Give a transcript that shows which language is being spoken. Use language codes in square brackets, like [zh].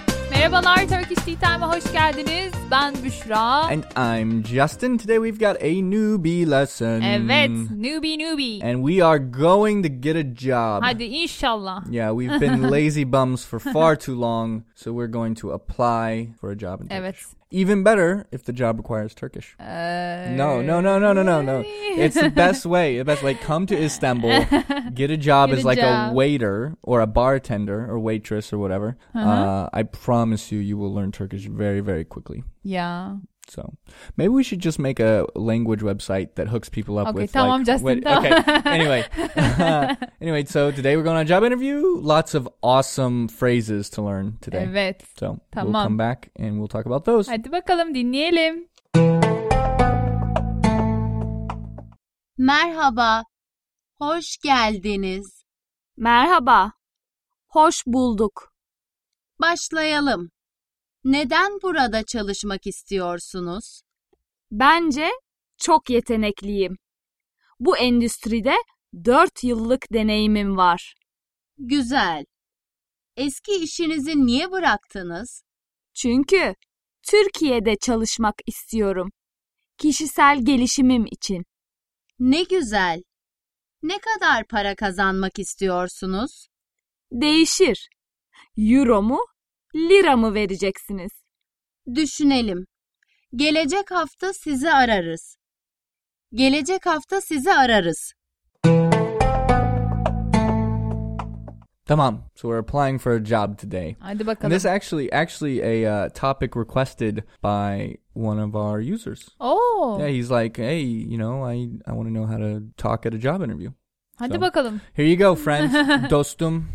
[tr] Merhabalar, Turkish Tea Time'a hoş geldiniz. Ben Büşra. [en] And I'm Justin. Today we've got a newbie lesson. [tr] Evet, newbie. [en] And we are going to get a job. [tr] Hadi inşallah. [en] Yeah, we've been lazy bums for far too long, so we're going to apply for a job in Turkish. [tr] Evet. [en] Even better if the job requires Turkish. No. It's the best way. Come to Istanbul, get a job as a waiter or a bartender or waitress or whatever. Uh-huh. I promise you, you will learn Turkish very, very quickly. Yeah. So maybe we should just make a language website that hooks people up Anyway, so today we're going on a job interview. Lots of awesome phrases to learn today. [tr] Evet. So tamam. [en] We'll come back and we'll talk about those. [tr] Hadi bakalım dinleyelim. Merhaba. Hoş geldiniz. Merhaba. Hoş bulduk. Başlayalım. Neden burada çalışmak istiyorsunuz? Bence çok yetenekliyim. Bu endüstride 4 yıllık deneyimim var. Güzel. Eski işinizi niye bıraktınız? Çünkü Türkiye'de çalışmak istiyorum. Kişisel gelişimim için. Ne güzel. Ne kadar para kazanmak istiyorsunuz? Değişir. Euro mu? Lira mı vereceksiniz? Düşünelim. Gelecek hafta sizi ararız. Gelecek hafta sizi ararız. Tamam. [en] So we're applying for a job today. [tr] Hadi bakalım. [en] And this is actually a topic requested by one of our users. Oh. Yeah, he's like, hey, you know, I want to know how to talk at a job interview. [tr] Hadi bakalım. [en] Here you go, friends. Dostum.